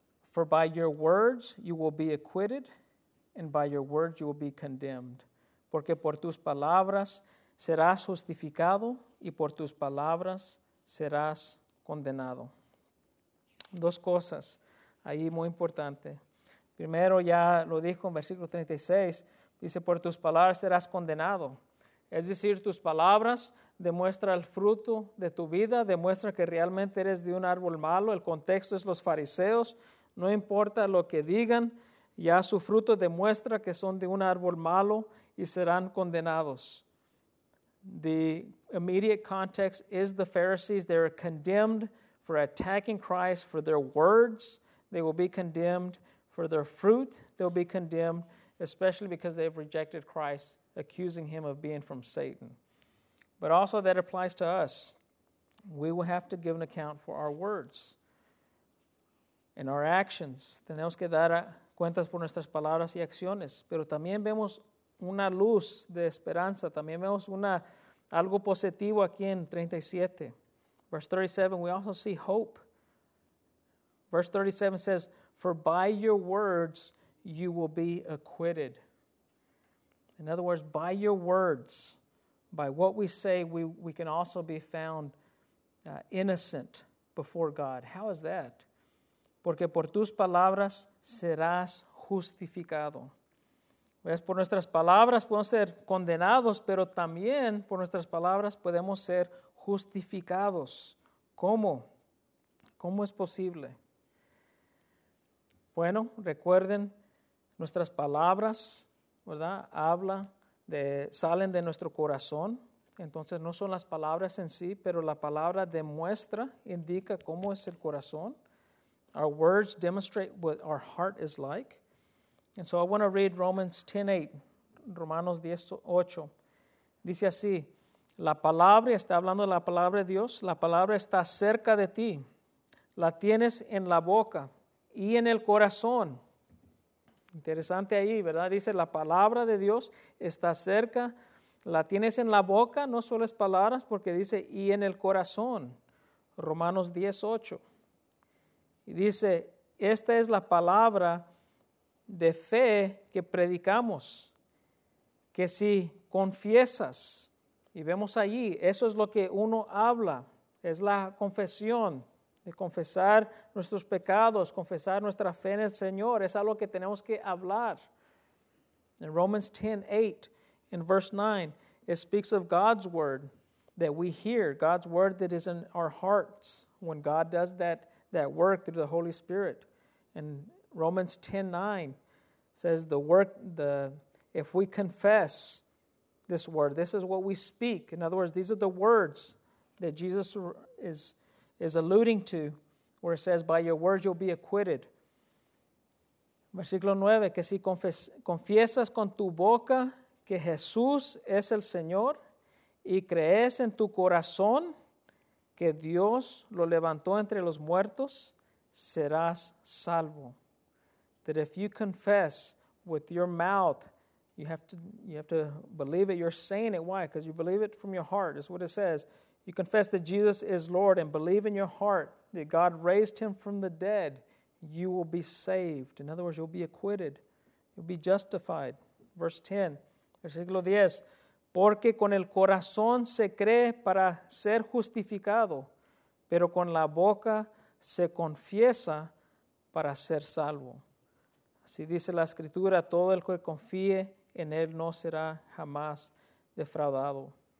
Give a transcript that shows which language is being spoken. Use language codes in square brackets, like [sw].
[en] For by your words you will be acquitted, and by your words you will be condemned. [es] Porque por tus palabras serás justificado, y por tus palabras serás condenado. Dos cosas ahí muy importantes. Primero, ya lo dijo en versículo 36, dice, por tus palabras serás condenado. Es decir, tus palabras demuestran el fruto de tu vida, demuestran que realmente eres de un árbol malo. El contexto es los fariseos. No importa lo que digan, ya su fruto demuestra que son de un árbol malo y serán condenados. [en] The immediate context is the Pharisees. They are condemned for attacking Christ for their words. They will be condemned for their fruit. They will be condemned, especially because they have rejected Christ, accusing him of being from Satan. But also that applies to us. We will have to give an account for our words and our actions. [es] Tenemos que dar cuentas por nuestras palabras y acciones. Pero también vemos una luz de esperanza. También vemos algo positivo aquí en 37. [en] Verse 37, we also see hope. Verse 37 says, for by your words you will be acquitted. In other words, by your words, by what we say, we can also be found innocent before God. How is that? [es] Porque por tus palabras serás justificado. Pues por nuestras palabras podemos ser condenados, pero también por nuestras palabras podemos ser justificados. ¿Cómo? ¿Cómo es posible? Bueno, recuerden, nuestras palabras, ¿verdad? Salen de nuestro corazón. Entonces, no son las palabras en sí, pero la palabra demuestra, indica cómo es el corazón. [en] Our words demonstrate what our heart is like. And so I want to read Romans 10:8, Romanos 10:8. [es] Dice así, la palabra, está hablando de la palabra de Dios, la palabra está cerca de ti, la tienes en la boca y en el corazón. Interesante ahí, ¿verdad? Dice, la palabra de Dios está cerca, la tienes en la boca, no solo es palabras, porque dice, y en el corazón, Romanos 10:8. Y dice, esta es la palabra de fe que predicamos, que si confiesas, y vemos allí, eso es lo que uno habla, es la confesión, de confesar nuestros pecados, confesar nuestra fe en el Señor, es algo que tenemos que hablar. [en] En Romans 10:8, en verse 9, it speaks of God's word that we hear, God's word that is in our hearts, when God does that work through the Holy Spirit. In Romans 10:9, says if we confess this word, this is what we speak. In other words, these are the words that Jesus is alluding to, where it says, by your words you'll be acquitted. [es] Versículo 9, que si confiesas con tu boca que Jesús es el Señor y crees en tu corazón que Dios lo levantó entre los muertos, serás salvo. [en] That if you confess with your mouth, you have to believe it. You're saying it. Why? Because you believe it from your heart. That's what it says. You confess that Jesus is Lord and believe in your heart that God raised him from the dead, you will be saved. In other words, you'll be acquitted. You'll be justified. Verse 10, [es] versículo 10. Porque con el corazón se cree para ser justificado, pero con la boca se confiesa para ser salvo. Si dice la Escritura, todo el que confíe en él no será jamás defraudado.